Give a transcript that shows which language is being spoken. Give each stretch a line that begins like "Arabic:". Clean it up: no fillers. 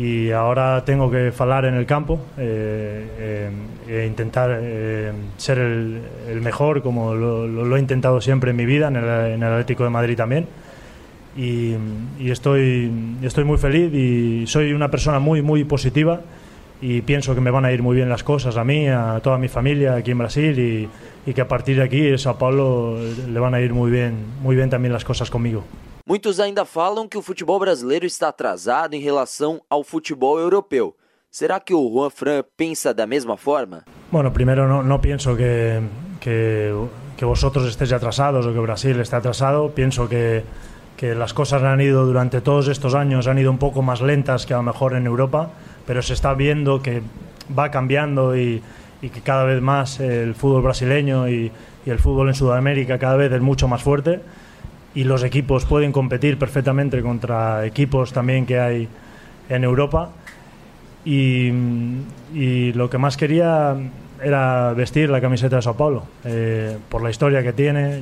Spanish: ahora tengo que falar en el campo e intentar ser el mejor como lo he intentado siempre en mi vida en el Atlético de Madrid también y estoy muy feliz y soy una persona muy muy positiva y pienso que me van a ir muy bien las cosas a mí, a toda mi familia aquí en Brasil y que a partir de aquí en São Paulo le van a ir muy bien también las cosas conmigo.
Portuguese: Muitos ainda falam que o futebol brasileiro está atrasado em relação ao futebol europeu. Será que o Juan Fran pensa da mesma forma? Bueno, primeiro não penso que
Spanish: vosotros estéis
Portuguese: atrasados ou que o Brasil esteja atrasado. Penso que as coisas
Spanish: han ido durante todos estes anos, han ido
Portuguese: um pouco mais lentas
Spanish: que a lo mejor en Europa, pero se está viendo que va cambiando y que cada vez más el fútbol brasileño y el fútbol en Sudamérica cada vez es mucho más fuerte y los equipos pueden competir perfectamente contra equipos también que hay en Europa y lo que más quería era vestir la camiseta de São Paulo por la historia que tiene.